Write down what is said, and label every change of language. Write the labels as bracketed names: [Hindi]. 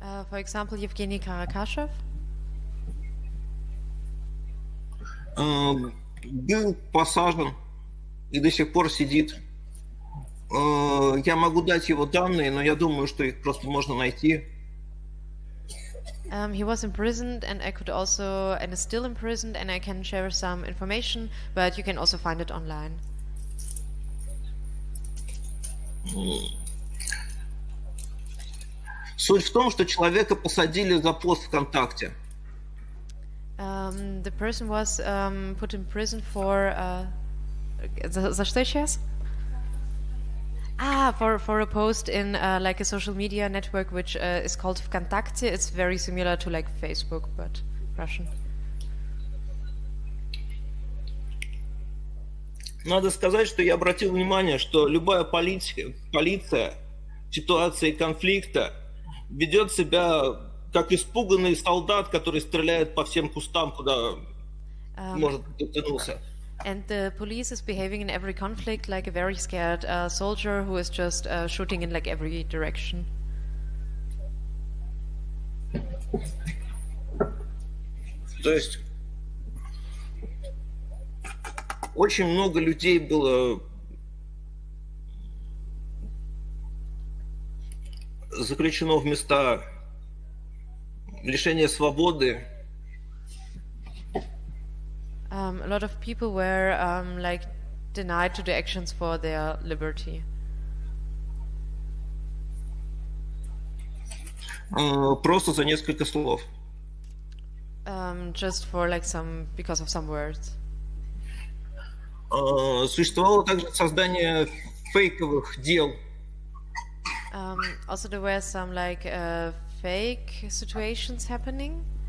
[English] For example, Евгений Каракашев. [Russian] Был посажен и до сих пор сидит. Я могу дать его данные, но я думаю, что их просто можно найти. [English] He was imprisoned, and I could also, and is still imprisoned, and I can share some information, but you can also find it online. Mm. [Russian] Суть в том, что человека посадили за пост ВКонтакте. [English] The person was put in prison for [Russian] за что сейчас? [English] For a post in like a social media network which is called ВКонтакте. It's very similar to like Facebook, but Russian. [Russian] Надо сказать, что я обратил внимание, что любая полиция в ситуации конфликта ведет себя как испуганный солдат, который стреляет по всем кустам, куда может дотянуться. [English] And the police is behaving in every conflict like a very scared soldier who is just shooting in like every direction. [Russian] То есть очень много людей было заключено в места лишения свободы. [English] A lot of people were like denied to the actions for their liberty. [Russian] Просто за несколько слов. [English] Just for like some because of some words. [Russian] Существовало также создание фейковых дел. [English] Also there were some like fake situations happening.